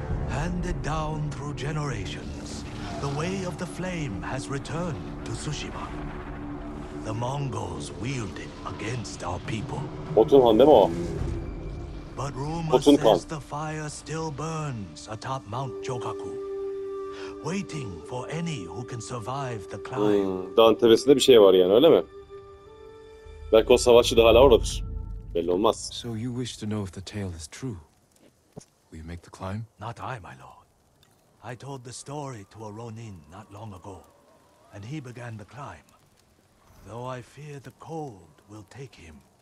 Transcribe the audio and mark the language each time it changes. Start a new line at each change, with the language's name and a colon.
English: Handed down through generations, the way of the flame has returned to Tsushima. The Mongols wield it against our people.
Turkish: Otun Han değil mi o?
English: But rumor says the fire still burns atop Mount Jogaku. Waiting for any who can survive the climb.
Turkish: Dağın tepesinde bir şey var yani, öyle mi? Belki o savaşçı da hala oradadır. Belli olmaz.
English: So you wish to know if the tale is true. Will you make the climb? Not I, my lord. I told the story to a Ronin not long ago, and he began the climb. Though I fear the cold will take him.